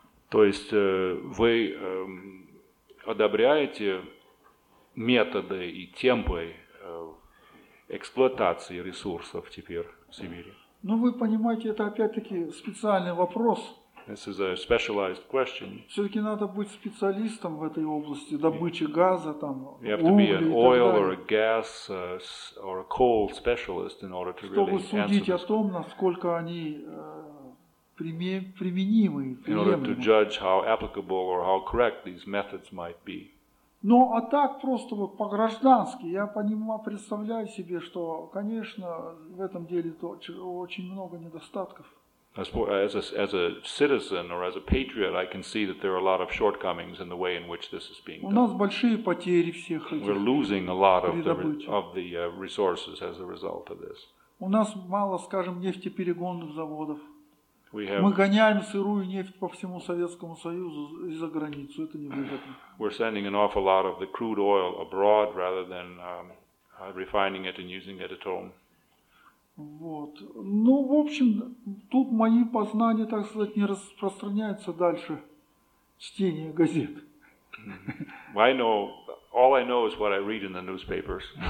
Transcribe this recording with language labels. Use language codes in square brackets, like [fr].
[ru] То есть вы одобряете методы и темпы эксплуатации ресурсов теперь в Сибири? Ну, вы понимаете, это опять-таки специальный вопрос. [en] This is a specialized question. [ru] Все-таки надо быть специалистом в этой области, добычи газа, там, угли и так далее. [en] You have to be an oil or a gas or a coal specialist in order to really answer. [ru] Чтобы судить о том, насколько они применимы, приемлемы. [en] In order to judge how applicable or how correct these methods might be. [ru] Ну, а так просто вот по-граждански, я понимаю, представляю себе, что, конечно, в этом деле очень много недостатков. [en] As a citizen or as a patriot, I can see that there are a lot of shortcomings in the way in which this is being done. [ru] У нас большие потери всех этих. [en] We're losing a lot of the resources as a result of this. [ru] У нас мало, скажем, нефтеперегонных заводов. [en] We have, [ru] мы гоняем сырую нефть по всему Советскому Союзу и за границу. Это невыгодно. [en] We're sending an awful lot of the crude oil abroad rather than refining it and using it at home. [ru] Вот. Ну, в общем, тут мои познания, так сказать, не распространяются дальше чтения газет. [en] Mm-hmm. I know, all I know is what I read in the newspapers.